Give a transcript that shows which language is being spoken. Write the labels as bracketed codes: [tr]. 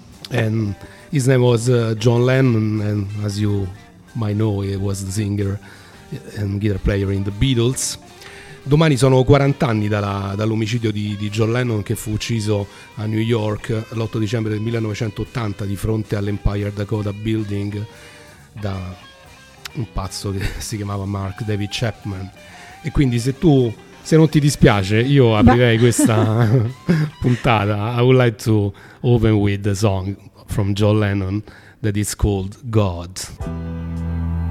[en] And his name was John Lennon, and as you might know, he was the singer and guitar player in the Beatles. [it] Domani sono 40 anni dall'omicidio di John Lennon, che fu ucciso a New York l'8 dicembre del 1980 di fronte all'Empire Dakota Building da un pazzo che si chiamava Mark David Chapman. E quindi se non ti dispiace, io aprirei questa puntata. [en] I would like to open with a song from John Lennon that is called God.